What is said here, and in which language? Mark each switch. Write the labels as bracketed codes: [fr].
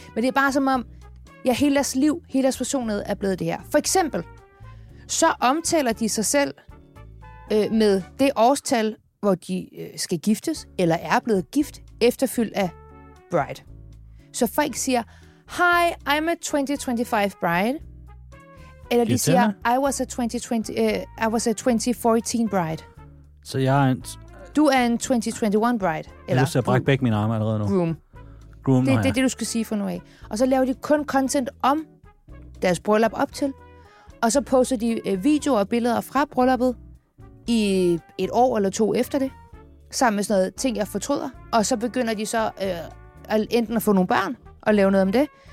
[da] Men det er bare som om, ja, hele deres liv, hele deres personlighed er blevet det her. For eksempel, så omtaler de sig selv med det årstal, hvor de skal giftes, eller er blevet gift, efterfyldt af bride. Så folk siger, [en] hi, I'm a 2025 bride. [da] Eller de siger, [en] I was a 2014 bride. [da] Så jeg er en... Du er en 2021 bride. Eller jeg har brækket begge mine arme allerede nu. Det er det, du skal sige for nu af. Og så laver de kun content om deres bryllup op til. Og så poster de videoer og billeder fra brylluppet i et år eller to efter det. Sammen med sådan noget ting, jeg fortryder. Og så begynder de så enten at få nogle børn og lave noget om det.